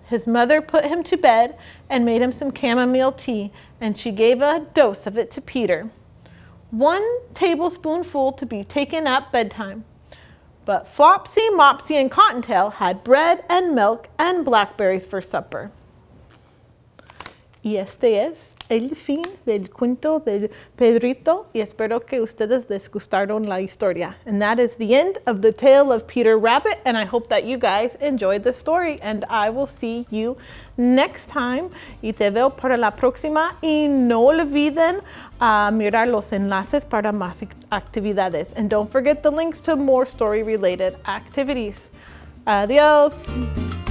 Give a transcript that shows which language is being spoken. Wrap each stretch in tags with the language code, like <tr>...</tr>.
<en>His mother put him to bed and made him some chamomile tea, and she gave a dose of it to Peter. One tablespoonful to be taken at bedtime. But Flopsy, Mopsy, and Cottontail had bread and milk and blackberries for supper.</en> <es>Y este es el fin del cuento de Pedrito, y espero que ustedes les gustaron la historia.</es> <en>And that is the end of the tale of Peter Rabbit, and I hope that you guys enjoyed the story, and I will see you next time.</en> <es>Y te veo para la próxima, y no olviden mirar los enlaces para más actividades.</es> <en>And don't forget the links to more story-related activities.</en> <es>Adiós.</es>